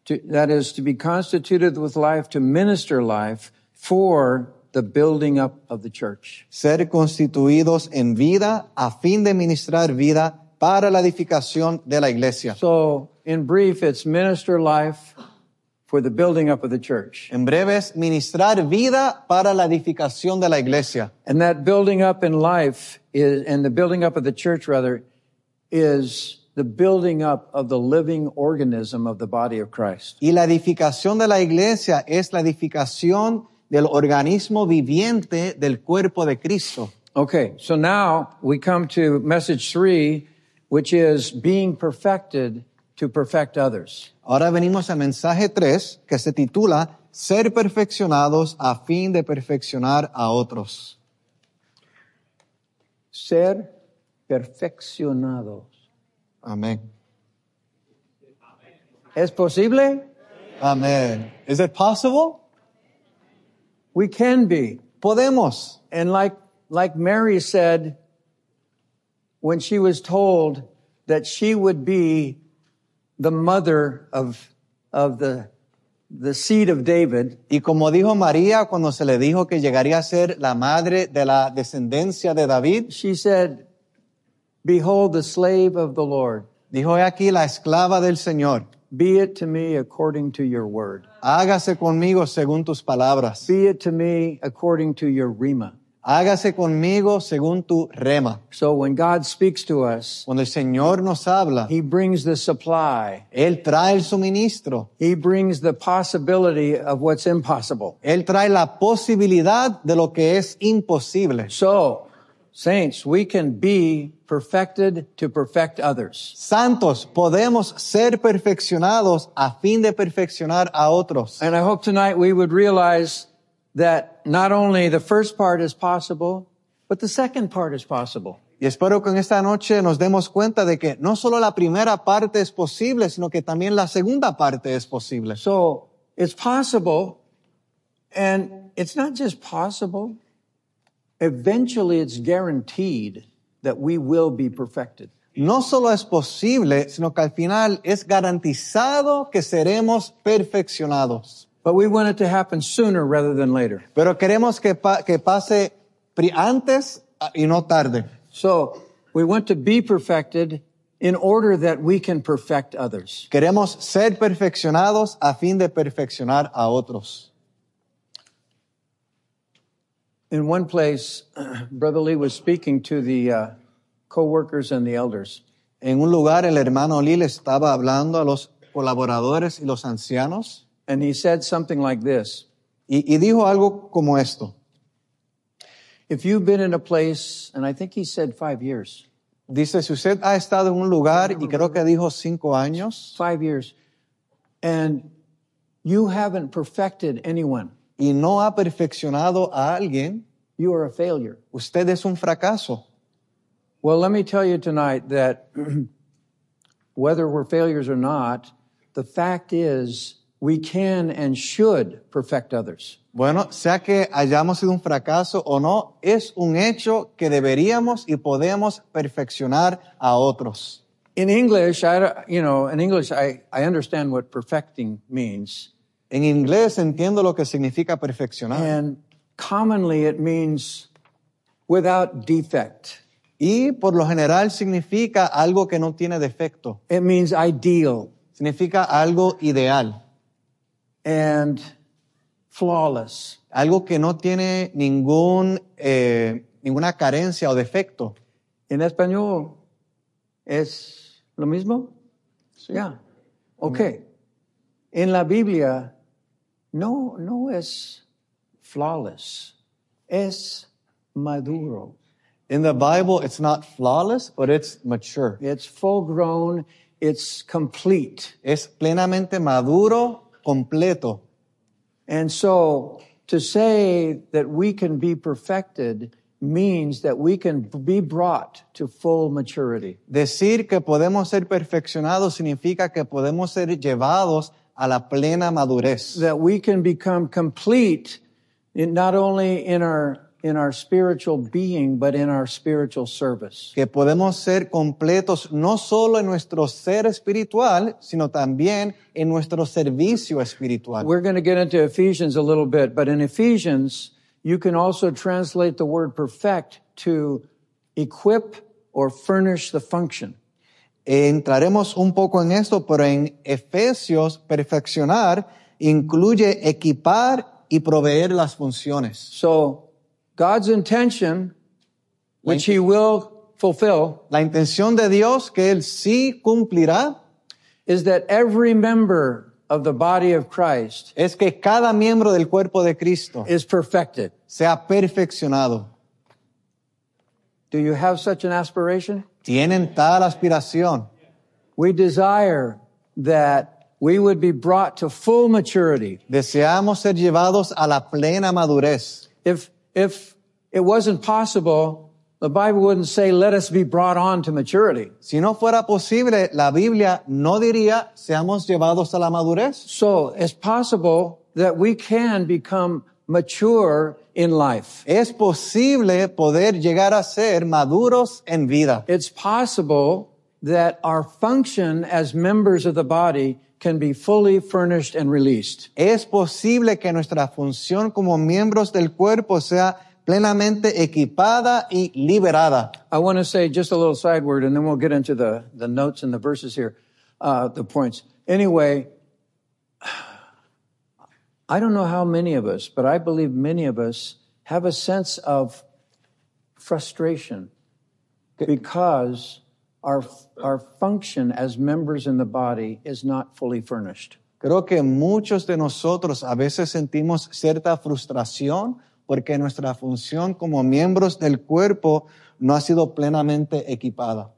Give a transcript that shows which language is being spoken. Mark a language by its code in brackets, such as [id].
[en] That is, to be constituted with life, to minister life for the building up of the church. [es] Ser constituidos en vida a fin de ministrar vida para la edificación de la iglesia. [en] So, in brief, it's minister life for the building up of the church. [es] En breve es ministrar vida para la edificación de la iglesia. [en] And that building up in life is, and the building up of the church rather, is the building up of the living organism of the body of Christ. [es] Y la edificación de la iglesia es la edificación del organismo viviente del cuerpo de Cristo. [en] Okay, so now we come to message three, which is being perfected to perfect others. [es] Ahora venimos a mensaje tres, que se titula Ser perfeccionados a fin de perfeccionar a otros. Ser perfeccionados. Amén. ¿Es posible? [en] Amén. Is it possible? We can be. [es] Podemos. [en] And like Mary said when she was told that she would be the mother of the seed of David. [es] Y como dijo María cuando se le dijo que llegaría a ser la madre de la descendencia de David. [en] She said, "Behold the slave of the Lord." [es] Dijo, he aquí la esclava del Señor. [en] "Be it to me according to your word." [es] Hágase conmigo según tus palabras. [en] "Be it to me according to your rhema." [es] Hágase conmigo según tu rema. [en] So when God speaks to us, [es] cuando el Señor nos habla, [en] He brings the supply. [es] Él trae el suministro. [en] He brings the possibility of what's impossible. [es] Él trae la posibilidad de lo que es imposible. [en] So, saints, we can be perfected to perfect others. [es] Santos, podemos ser perfeccionados a fin de perfeccionar a otros. [en] And I hope tonight we would realize that not only the first part is possible, but the second part is possible. [es] Y espero que en esta noche nos demos cuenta de que no solo la primera parte es posible, sino que también la segunda parte es posible. [en] So, it's possible, and it's not just possible. Eventually, it's guaranteed that we will be perfected. [es] No solo es posible, sino que al final es garantizado que seremos perfeccionados. [en] But we want it to happen sooner rather than later. [es] Pero queremos que pase antes y no tarde. [en] So, we want to be perfected in order that we can perfect others. [es] Queremos ser perfeccionados a fin de perfeccionar a otros. [en] In one place, Brother Lee was speaking to the co-workers and the elders. [es] En un lugar, el hermano Lee estaba hablando a los colaboradores y los ancianos. [en] And he said something like this. [es] Y dijo algo como esto. [en] If you've been in a place, and I think he said 5 years. [es] Dice, si usted ha estado en un lugar, y creo que dijo 5 años. [en] 5 years. And you haven't perfected anyone. [es] Y no ha perfeccionado a alguien. [en] You are a failure. [es] Usted es un fracaso. [en] Well, let me tell you tonight that whether we're failures or not, the fact is we can and should perfect others. [es] Bueno, sea que hayamos sido un fracaso o no, es un hecho que deberíamos y podemos perfeccionar a otros. [en] In English, I understand what perfecting means. [es] En inglés entiendo lo que significa perfeccionar. [en] And commonly it means without defect. [es] Y por lo general significa algo que no tiene defecto. [en] It means ideal. [es] Significa algo ideal. [en] And flawless. [es] Algo que no tiene ninguna carencia o defecto. En español es lo mismo? Sí. [en] Yeah. Okay. [es] En la Biblia no es flawless. Es maduro. [en] In the Bible, it's not flawless, but it's mature. It's full grown. It's complete. [es] Es plenamente maduro, completo. [en] And so, to say that we can be perfected means that we can be brought to full maturity. [es] Decir que podemos ser perfeccionados significa que podemos ser llevados a la plena madurez. [en] That we can become complete in not only in our spiritual being, but in our spiritual service. [es] Que podemos ser completos no solo en nuestro ser espiritual, sino también en nuestro servicio espiritual. [en] We're going to get into Ephesians a little bit, but in Ephesians, You can also translate the word perfect to equip or furnish the function. [es] Entraremos un poco en esto, pero en Efesios, perfeccionar incluye equipar y proveer las funciones. [en] So, God's intention, which he will fulfill, [es] la intención de Dios que él sí cumplirá, [en] is that every member of the body of Christ [es] es que cada miembro del cuerpo de Cristo [en] is perfected. [es] Sea perfeccionado. [en] Do you have such an aspiration? [es] ¿Tienen tal aspiración? [en] We desire that we would be brought to full maturity. [es] Deseamos ser llevados a la plena madurez. [en] If it wasn't possible, the Bible wouldn't say, let us be brought on to maturity. [es] Si no fuera posible, la Biblia no diría, seamos llevados a la madurez. [en] So, it's possible that we can become mature in life. [es] Es posible poder llegar a ser maduros en vida. [en] It's possible that our function as members of the body can be fully furnished and released. [es] Es posible que nuestra función como miembros del cuerpo sea plenamente equipada y liberada. [en] I want to say just a little side word and then we'll get into the notes and the verses here, the points. Anyway, I don't know how many of us, but I believe many of us have a sense of frustration because our function as members in the body is not fully furnished. [es] Creo que muchos de nosotros a veces sentimos cierta frustración porque nuestra función como miembros del cuerpo no ha sido plenamente equipada.